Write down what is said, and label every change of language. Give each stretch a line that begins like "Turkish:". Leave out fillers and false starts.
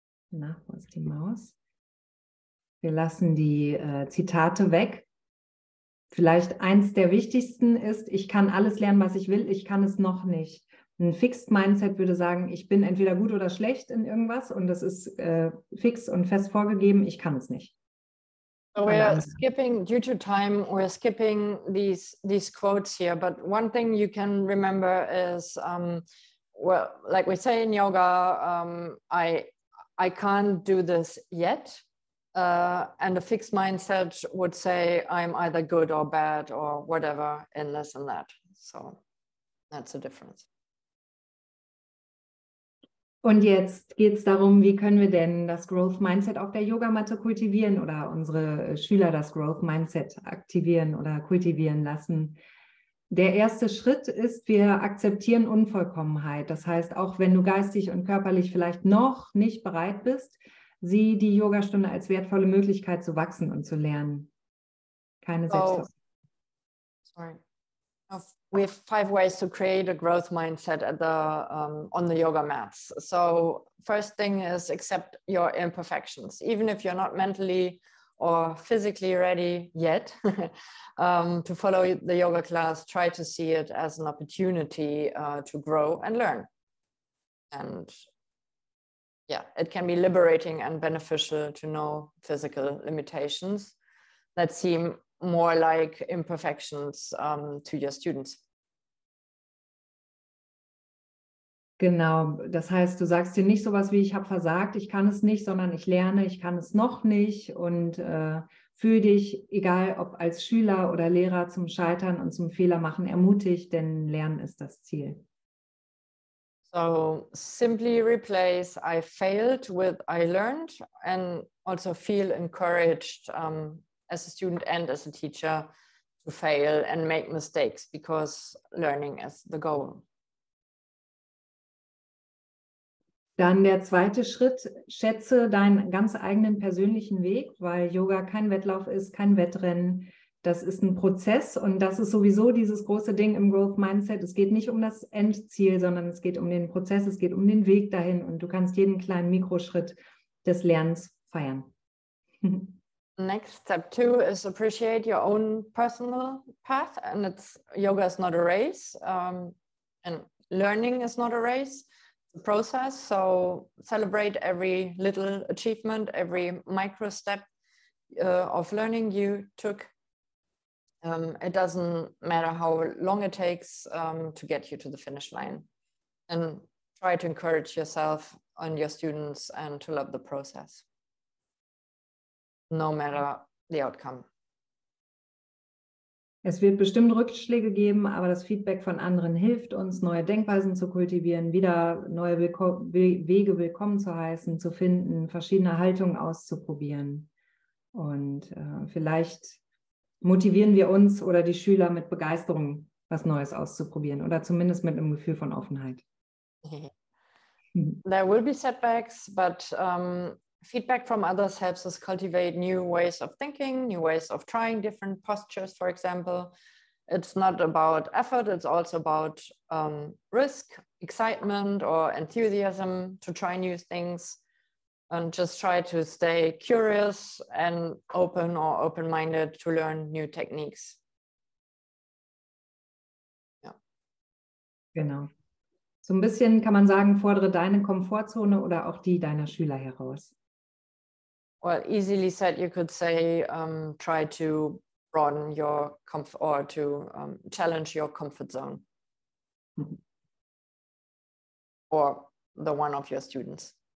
German: Na, wo ist die Maus? Wir lassen die Zitate weg. Vielleicht eins der wichtigsten ist, ich kann alles lernen, was ich will, ich kann es noch nicht. Ein Fixed Mindset würde sagen, ich bin entweder gut oder schlecht in irgendwas und das ist fix und fest vorgegeben, ich kann es nicht.
English: So we're skipping due to time, we're skipping these quotes here. But one thing you can remember is, well, like we say in yoga, I can't do this yet. And a fixed mindset would say I'm either good or bad or whatever in this and that. So that's the difference.
German: Und jetzt geht es darum, wie können wir denn das Growth Mindset auf der Yogamatte kultivieren oder unsere Schüler das Growth Mindset aktivieren oder kultivieren lassen. Der erste Schritt ist, wir akzeptieren Unvollkommenheit. Das heißt, auch wenn du geistig und körperlich vielleicht noch nicht bereit bist, sieh die Yogastunde als wertvolle Möglichkeit zu wachsen und zu lernen. Keine Selbstverständlichkeit.
English: We have five ways to create a growth mindset at the on the yoga mats. So first thing is accept your imperfections. Even if you're not mentally or physically ready yet to follow the yoga class, try to see it as an opportunity to grow and learn. And yeah, it can be liberating and beneficial to know physical limitations that seem more like imperfections to your students.
German: Genau, das heißt, du sagst dir nicht sowas wie, ich habe versagt, ich kann es nicht, sondern ich lerne, ich kann es noch nicht und fühl dich, egal ob als Schüler oder Lehrer, zum Scheitern und zum Fehlermachen ermutigt, denn Lernen ist das Ziel.
English: So, simply replace I failed with I learned and also feel encouraged as a student and as a teacher to fail and make mistakes because learning is the goal.
German: Dann der zweite Schritt, schätze deinen ganz eigenen persönlichen Weg, weil Yoga kein Wettlauf ist, kein Wettrennen. Das ist ein Prozess und das ist sowieso dieses große Ding im Growth Mindset. Es geht nicht um das Endziel, sondern es geht um den Prozess, es geht um den Weg dahin und du kannst jeden kleinen Mikroschritt des Lernens feiern.
English: Next step two is appreciate your own personal path and it's yoga is not a race and learning is not a race. Process, so celebrate every little achievement, every micro step of learning you took. It doesn't matter how long it takes to get you to the finish line. And try to encourage yourself and your students and to love the process, no matter the outcome.
German: Es wird bestimmt Rückschläge geben, aber das Feedback von anderen hilft uns, neue Denkweisen zu kultivieren, wieder neue Wege willkommen zu heißen, zu finden, verschiedene Haltungen auszuprobieren. Und vielleicht motivieren wir uns oder die Schüler mit Begeisterung, was Neues auszuprobieren oder zumindest mit einem Gefühl von Offenheit.
English: There will be setbacks, but feedback from others helps us cultivate new ways of thinking, new ways of trying different postures, for example. It's not about effort, it's also about risk, excitement, or enthusiasm to try new things. And just try to stay curious and open or open-minded to learn new techniques.
German: Yeah. Genau. So ein bisschen kann man sagen, fordere deine Komfortzone oder auch die deiner Schüler heraus.
English: Well, easily said, you could say, try to broaden your comfort or to challenge your comfort zone or the one of your students.